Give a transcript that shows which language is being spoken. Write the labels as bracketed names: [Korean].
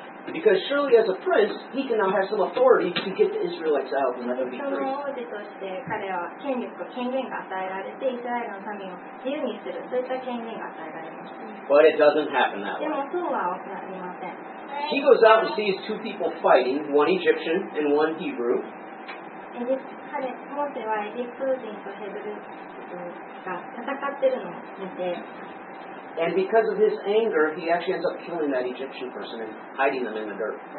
[English] Because surely as a prince, he cannot have some authority to get the Israelites out and let them be free. [Japanese] その王子として彼は権力と権限が与えられて、イスラエルの民を自由にする、そういった権限が与えられました。 [English] But it doesn't happen that way. [Japanese] でもそうは起きません。 [English] He goes out and sees two people fighting, one Egyptian and one Hebrew. [Japanese] 彼、モーセはエジプト人とヘブル人が戦ってるのを見て、 [English] And because of his anger, he actually ends up killing that Egyptian person and hiding them in the dirt.